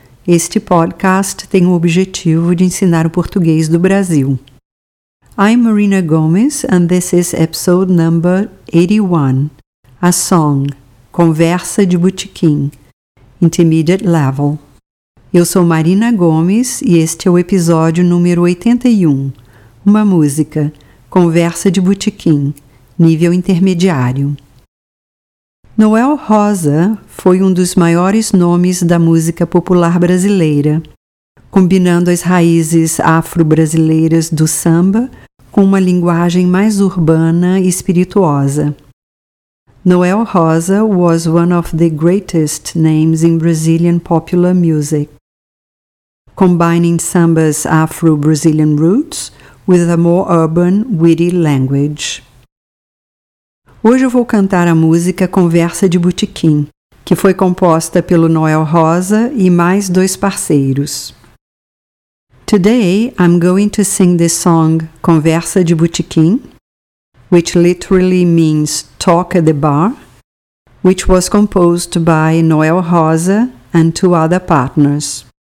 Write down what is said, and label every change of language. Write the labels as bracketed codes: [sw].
[pt] Este podcast tem o objetivo de ensinar o português do Brasil. [en] I'm Marina Gomes and this is episode number 81. A song, Conversa de Botequim, Intermediate Level. [pt] Eu sou Marina Gomes e este é o episódio número 81. Uma música, Conversa de Botequim, Nível Intermediário. Noel Rosa foi um dos maiores nomes da música popular brasileira, combinando as raízes afro-brasileiras do samba com uma linguagem mais urbana e espirituosa. [en] Noel Rosa was one of the greatest names in Brazilian popular music, combining samba's Afro-Brazilian roots with a more urban, witty language. [pt] Hoje eu vou cantar a música Conversa de Botequim, que foi composta pelo Noel Rosa e mais dois parceiros. [en] Today I'm going to sing the song Conversa de Botequim, which literally means talk at the bar, which was composed by Noel Rosa and two other partners.